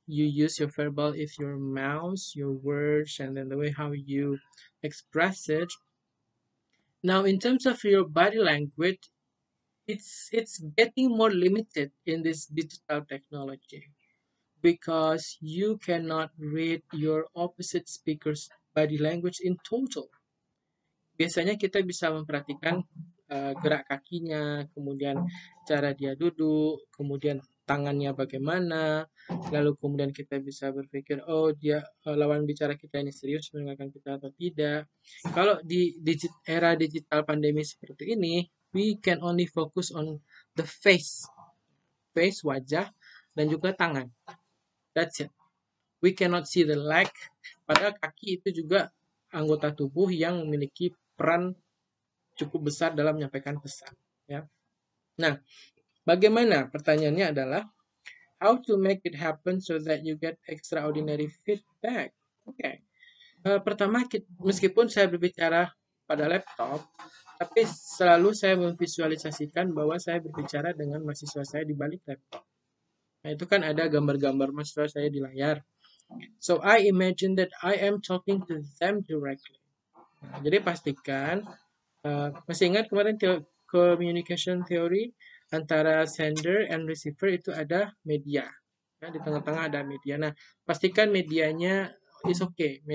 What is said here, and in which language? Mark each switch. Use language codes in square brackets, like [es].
[en] You use your verbal if your mouth, your words, and then the way how you express it. Now, in terms of your body language, it's getting more limited in this digital technology because you cannot read your opposite speaker's body language in total. [id] Biasanya kita bisa memperhatikan gerak kakinya, kemudian cara dia duduk, kemudian tangannya bagaimana, lalu kemudian kita bisa berpikir, oh dia lawan bicara kita ini serius mendengarkan kita atau tidak. Kalau di era digital pandemi seperti ini, [en] we can only focus on the face. Face, [id] wajah, dan juga tangan. [en] That's it. We cannot see the leg. [id] Padahal kaki itu juga anggota tubuh yang memiliki peran cukup besar dalam menyampaikan pesan. Ya. Nah, bagaimana? Pertanyaannya adalah, [en] how to make it happen so that you get extraordinary feedback? Okay. [id] Pertama, meskipun saya berbicara pada laptop, tapi selalu saya memvisualisasikan bahwa saya berbicara dengan mahasiswa saya di balik laptop. Nah, itu kan ada gambar-gambar mahasiswa saya di layar. [en] So I imagine that I am talking to them directly. [id] Jadi pastikan, masih ingat kemarin communication theory antara sender and receiver itu ada media. Ya, di tengah-tengah ada media. Nah, pastikan medianya [en] is okay.